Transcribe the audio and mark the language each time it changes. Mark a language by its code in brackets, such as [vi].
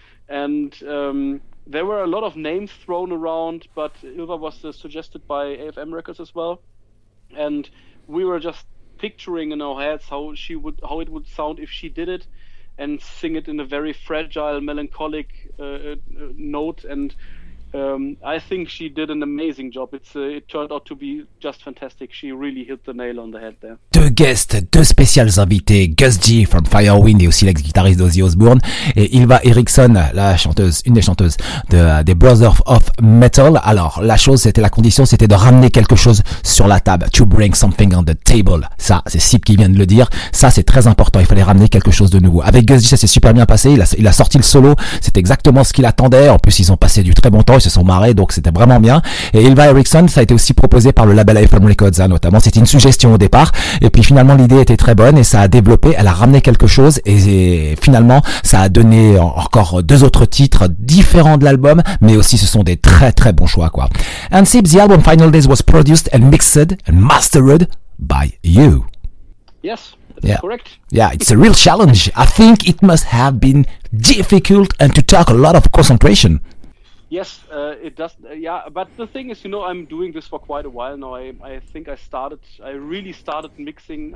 [en] And there were a lot of names thrown around, but Ylva was suggested by AFM Records as well, and we were just picturing in our heads how it would sound if she did it and sing it in a very fragile, melancholic note. And I think she did an amazing job. It turned out to be just fantastic. She really hit the nail on the head there. [fr] Deux guests, deux spéciales invités, Gus G from Firewind et aussi l'ex-guitariste d'Ozzy Osbourne et Ylva Eriksson, la chanteuse, une des chanteuses de des Brothers of Metal. Alors, la chose, c'était la condition, c'était de ramener quelque chose sur la table. [en] To bring something on the table. [fr] Ça, c'est Sip qui vient de le dire. Ça, c'est très important. Il fallait ramener quelque chose de nouveau. Avec Gus G, ça s'est super bien passé. Il a sorti le solo. C'est exactement ce qu'il attendait. En plus, ils ont passé du très bon temps. Ils se sont marrés. Donc, c'était vraiment bien. Et Ylva Eriksson, ça a été aussi proposé par le label iPhone Records, hein, notamment. C'était une suggestion au départ. Et puis finalement l'idée était très bonne et ça a développé, elle a ramené quelque chose et finalement ça a donné encore deux autres titres différents de l'album, mais aussi ce sont des très très bons choix quoi. [en] And Sip, the album Final Days was produced and mixed and mastered by you. Yes, that's correct. Yeah, it's a real challenge. I think it must have been difficult and to take a lot of concentration. Yes, it does. Yeah, but the thing is, you know, I'm doing this for quite a while now. I think I really started mixing.